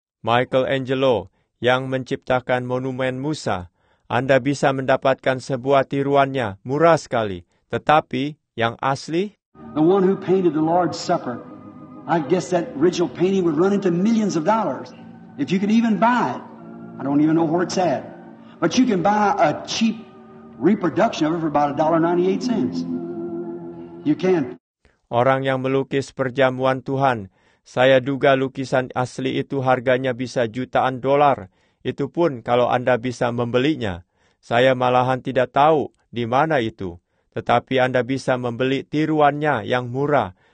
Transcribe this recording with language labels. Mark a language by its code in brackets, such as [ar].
[id] Michelangelo yang menciptakan monumen Musa. Anda bisa mendapatkan sebuah tiruannya, murah sekali. Tetapi, yang asli? [en] The one who painted the Lord's Supper. I guess that original painting would run into millions of dollars. If you could even buy it. I don't even know where it's at. But you can buy a cheap reproduction of it for about $1.98. You can. [id] Orang yang melukis perjamuan Tuhan. Saya duga lukisan asli itu harganya bisa jutaan dolar. Itu pun kalau Anda bisa membelinya. Saya malahan tidak tahu di mana itu. Tetapi Anda bisa membeli tiruannya yang murah.